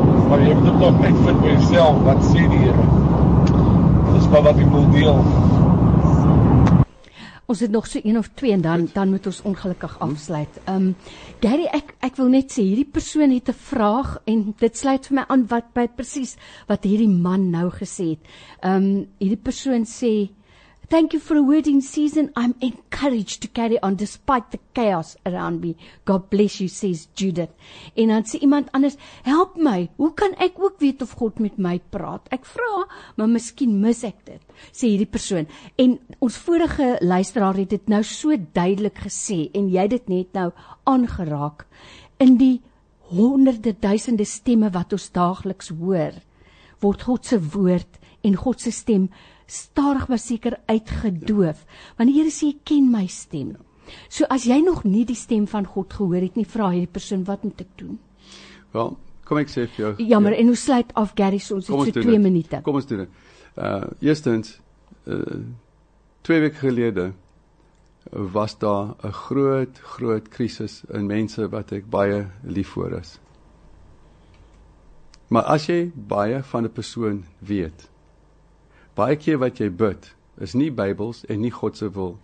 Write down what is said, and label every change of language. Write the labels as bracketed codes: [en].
[af] Maar jy moet dit nog net vind vir jouself, wat sê die Here. Dis maar wat jy wil deel. Ons het nog so een of twee en dan moet ons ongelukkig afsluit. Gary, ek wil net sê, hierdie persoon het 'n vraag en dit sluit vir my aan wat by precies wat hierdie man nou gesê het. Hierdie persoon sê, [en] thank you for a wedding season. I'm encouraged to carry on despite the chaos around me. God bless you, says Judith. [af] En dan sê iemand anders, help my, hoe kan ek ook weet of God met my praat? Ek vra, maar miskien mis ek dit, sê hierdie persoon. En ons vorige luisteraar het dit nou so duidelik gesê, en jy het dit net nou aangeraak, in die honderde duisende stemme wat ons dagliks hoor, word God se woord en God se stem starig maar seker uitgedoof, want die Here sê, jy ken my stem. So as jy nog nie die stem van God gehoor het nie, vra hierdie persoon, wat moet ek doen? Wel, kom ek sê vir jou. Jammer, ja. En hoe sluit af, Gary, soms kom het so 2 minute. Kom ons doen dit. Eerstens, 2 weke gelede, was daar 'n groot, groot krisis in mense wat ek baie lief voor is. Maar as jy baie van die persoon weet, baie keer wat jy bid, is nie Bybels en nie God se wil.